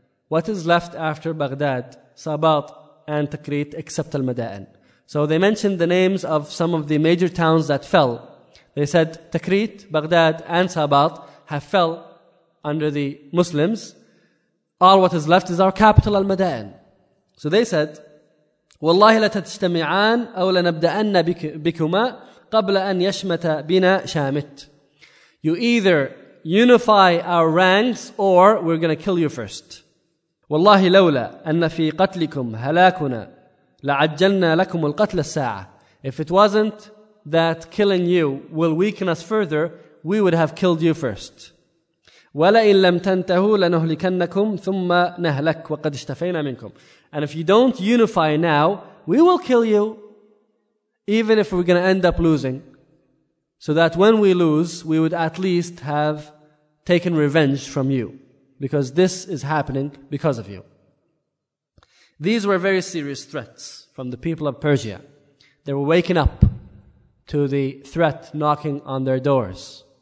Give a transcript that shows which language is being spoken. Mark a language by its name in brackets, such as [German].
[English] What is left after Baghdad, Sabat, and Takrit except al-Mada'in? So they mentioned the names of some of the major towns that fell. They said Takrit, Baghdad, and Sabat have fell under the Muslims. All what is left is our capital al-Mada'in. So they said, [Arabic] وَاللَّهِ لَتَتْشْتَمِعَانْ أَوْ لَنَبْدَأَنَّ بِكُمَا قَبْلَ أَنْ يَشْمَتَ بِنَا شَامِتْ. [English] You either unify our ranks or we're going to kill you first. [Arabic] والله لولا أن في قتلكم هلاكنا لعجلنا لكم القتل الساعة. [English] If it wasn't that killing you will weaken us further, we would have killed you first. [Arabic] ولئن لم تنتهوا لنهلكنكم ثم نهلك وقد اشتفينا منكم. [English] And if you don't unify now, we will kill you, even if we're going to end up losing, so that when we lose, we would at least have taken revenge from you, because this is happening because of you. These were very serious threats from the people of Persia. They were waking up to the threat knocking on their doors.